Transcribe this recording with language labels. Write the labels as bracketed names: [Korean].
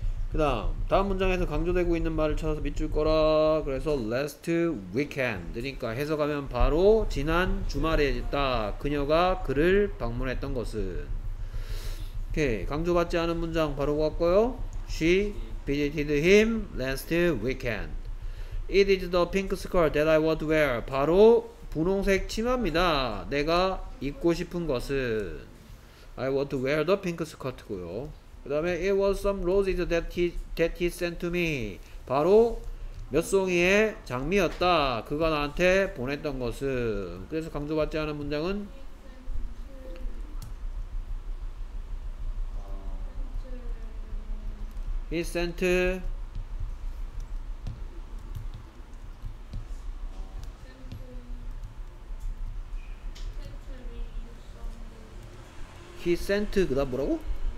[Korean] 그 다음 문장에서 강조되고 있는 말을 찾아서 밑줄 거라. 그래서 last weekend 니까 해석하면 바로 지난 주말에 있다 그녀가 그를 방문했던 것은 오케이. 강조받지 않은 문장 바로 갖고요. [English] She visited him last weekend. It is the pink skirt that I want to wear. [Korean] 바로 분홍색 치마입니다. 내가 입고 싶은 것은 [English] I want to wear the pink skirt [Korean] 고요. 그 다음에 [English] It was some roses that he sent to me. [Korean] 바로 몇 송이의 장미였다. 그가 나한테 보냈던 것은 그래서 강조받지 않은 문장은 [English] He sent He sent [Korean] 그 다음 뭐라고?